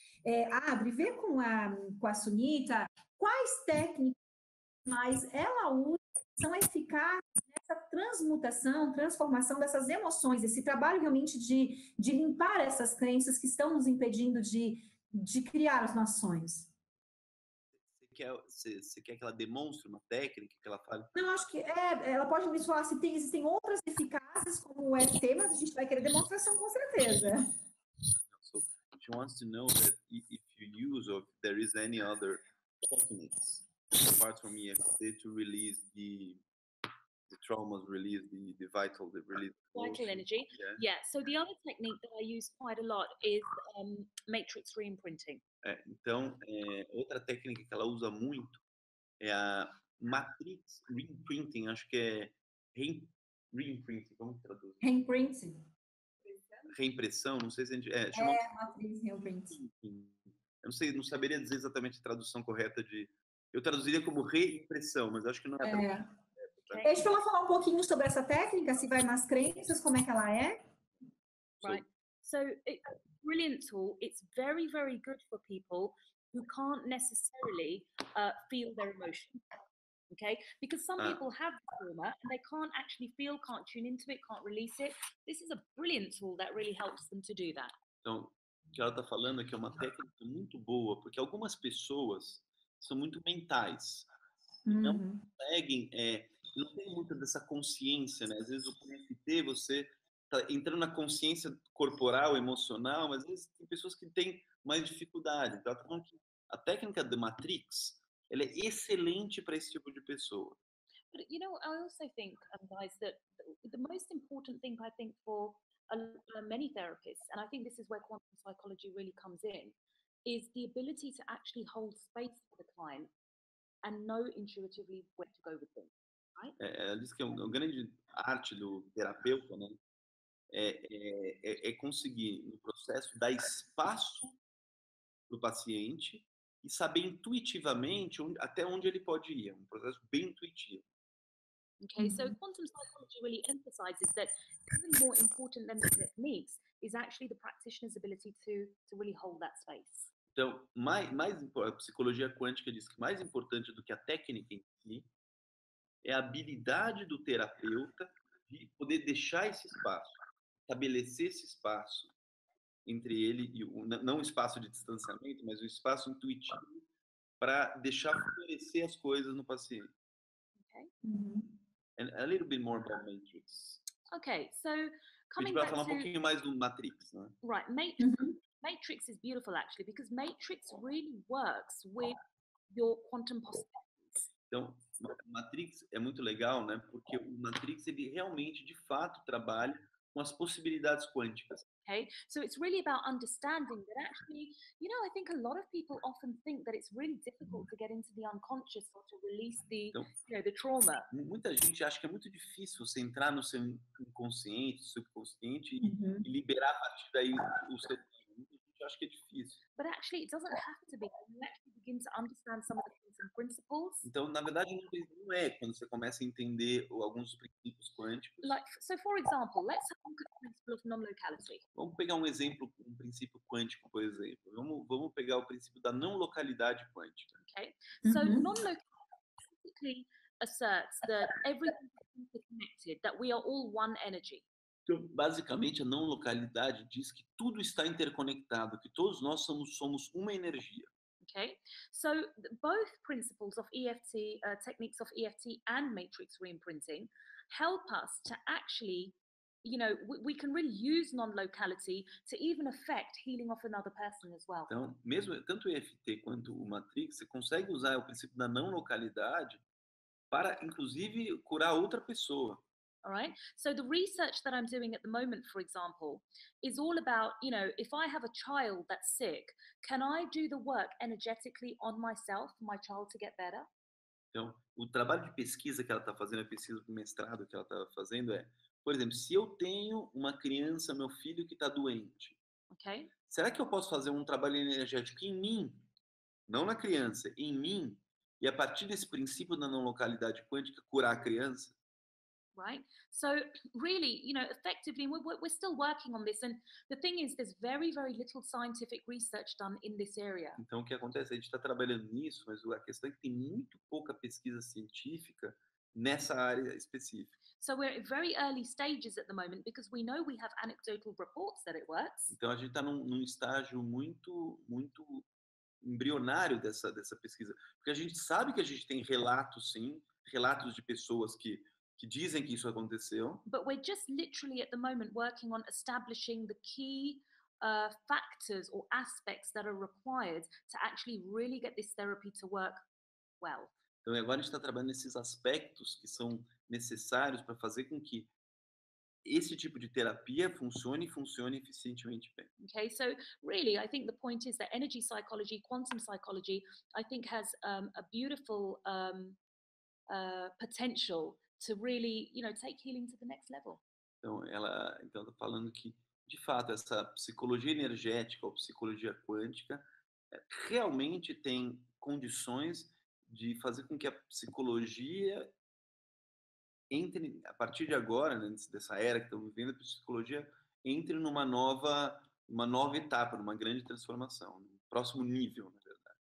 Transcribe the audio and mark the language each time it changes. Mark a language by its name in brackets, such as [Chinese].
[Portuguese] É, Adri, vê com a Sunita, quais técnicas mais ela usa são eficazes nessa transmutação, transformação dessas emoções, esse trabalho realmente de limpar essas crenças que estão nos impedindo de criar os nossos sonhos. Você quer que ela demonstre uma técnica, que ela fale? Não, acho que ela pode me falar se existem outras eficazes como o EFT, mas a gente vai querer demonstração com certeza. [English] So, she wants to know that if you use or if there is any other techniques apart from EFT to release the traumas, release the vital, the release the vital emotion. Energy. Yeah. Yeah. So the other technique that I use quite a lot is matrix reimprinting. [Portuguese] Então, outra técnica que ela usa muito é a matrix reimprinting, acho que é reimprinting, como traduz? [English] Reimprinting. [Portuguese] Reimpressão, não sei se a gente... [English] matrix reimprinting. [Portuguese] Eu não sei, não saberia dizer exatamente a tradução correta de... Eu traduziria como reimpressão, mas acho que não é a tradução. Deixa eu falar um pouquinho sobre essa técnica, se vai nas crenças, como é que ela é? [English] Brilliant tool. It's very, very good for people who can't necessarily feel their emotions, okay? Because some people have trauma and they can't actually feel, can't tune into it, can't release it. This is a brilliant tool that really helps them to do that. [Portuguese] Então, o que ela está falando é que é uma técnica muito boa, porque algumas pessoas são muito mentais. Não conseguem, não tem muita dessa consciência, né? Às vezes o NFT, você... Tá entrando na consciência corporal, emocional, mas às vezes tem pessoas que têm mais dificuldade. Então, ela tá falando que a técnica de Matrix, ela é excelente para esse tipo de pessoa. [English] But, you know, I also think, guys, that the most important thing, I think, for many therapists, and I think this is where quantum psychology really comes in, is the ability to actually hold space for the client and know intuitively where to go with them. Right? [Portuguese] Ela diz que é uma grande arte do terapeuta, né? É conseguir, no processo, dar espaço para o paciente e saber intuitivamente até onde ele pode ir. É um processo bem intuitivo. [English] Ok, so quantum psychology really emphasizes that even more important than the techniques is actually the practitioner's ability to really hold that space. [Portuguese] Então, mais a psicologia quântica diz que mais importante do que a técnica em si é a habilidade do terapeuta de poder deixar esse espaço. Estabelecer esse espaço entre ele e o, não o espaço de distanciamento, mas o espaço intuitivo para deixar florescer as coisas no paciente. [English] Okay. Mm-hmm. And a little bit more about Matrix. Okay, so coming back to [Portuguese] um pouquinho mais do Matrix, né? [English] Right, Matrix is beautiful actually because Matrix really works with your quantum possibilities. [Portuguese] Então, Matrix é muito legal, né? Porque o Matrix ele realmente de fato trabalha com as possibilidades quânticas. [English] Okay, so it's really about understanding that actually, you know, I think a lot of people often think that it's really difficult to get into the unconscious or to release the, [Portuguese] então, [English] you know, the trauma. [Portuguese] Muita gente acha que é muito difícil você entrar no seu inconsciente, subconsciente e liberar a partir daí o seu trauma. Muita gente acha que é difícil. [English] But actually, it doesn't have to be. You actually begin to understand some of the principles. [Portuguese] Então, na verdade, não é quando você começa a entender alguns princípios quânticos. [English] Like, so for example, let's look at the principle of non-locality. [Portuguese] Vamos pegar um exemplo, um princípio quântico, por exemplo. Vamos pegar o princípio da não-localidade quântica. [English] Okay. So non-locality basically asserts that everything is interconnected, that we are all one energy. [Portuguese] Então, basicamente, a não-localidade diz que tudo está interconectado, que todos nós somos uma energia. [English] Okay, so both principles of EFT, techniques of EFT and matrix reimprinting help us to actually you know, we can really use non-locality to even affect healing of another person as well. [Portuguese] Então, mesmo tanto o EFT quanto o Matrix, você consegue usar o princípio da não-localidade para, inclusive, curar outra pessoa. [English] All right. So the research that I'm doing at the moment, for example, is all about, you know, if I have a child that's sick, can I do the work energetically on myself for my child to get better? [Portuguese] Então, o trabalho de pesquisa que ela está fazendo, a pesquisa do mestrado que ela está fazendo é, por exemplo, se eu tenho uma criança, meu filho, que está doente, [English] okay, [Portuguese] será que eu posso fazer um trabalho energético em mim, não na criança, em mim, e a partir desse princípio da não-localidade quântica, curar a criança? [English] Right. So, really, you know, effectively, we're still working on this. And the thing is, there's very, very little scientific research done in this area. [Portuguese] Então, o que acontece? A gente está trabalhando nisso, mas a questão é que tem muito pouca pesquisa científica nessa área específica. [English] So, we're in very early stages at the moment because we know we have anecdotal reports that it works. [Portuguese] Então, a gente está num estágio muito, muito embrionário dessa pesquisa. Porque a gente sabe que a gente tem relatos, sim, relatos de pessoas que dizem que isso aconteceu. [English] But we're just literally at the moment working on establishing the key factors or aspects that are required to actually really get this therapy to work well. [Portuguese] Então agora a gente está trabalhando nesses aspectos que são necessários para fazer com que esse tipo de terapia funcione e funcione eficientemente bem. [English] Okay, so really I think the point is that energy psychology, quantum psychology, I think has a beautiful potential to really, you know, take healing to the next level. [Portuguese] Então ela tá falando que, de fato, essa psicologia energética ou psicologia quântica realmente tem condições de fazer com que a psicologia entre, a partir de agora, né, dessa era que estamos vivendo, a psicologia entre numa nova etapa, numa grande transformação, num próximo nível, na verdade.